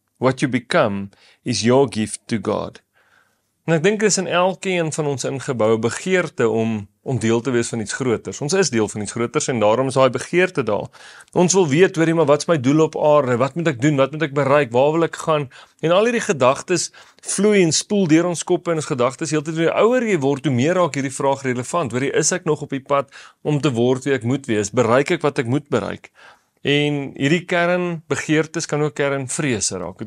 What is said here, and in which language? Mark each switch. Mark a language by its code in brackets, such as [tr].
[en] What you become is your gift to God. [af] En ek dink is in elkeen van ons ingebou begeerte om deel te wees van iets groters. Ons is deel van iets groters en daarom is daai begeerte daar. Ons wil weet, hoorie, maar wat is my doel op aarde? Wat moet ek doen? Wat moet ek bereik? Waar wil ek gaan? En al hierdie gedagtes vloei en spoel deur ons koppe en ons gedagtes heeltyd. Hoe ouer jy word, hoe meer raak hierdie vraag relevant. Hoorie, is ek nog op die pad om te word wie ek moet wees? Bereik ek wat ek moet bereik? En hierdie kern begeertes kan ook kern vrese raak.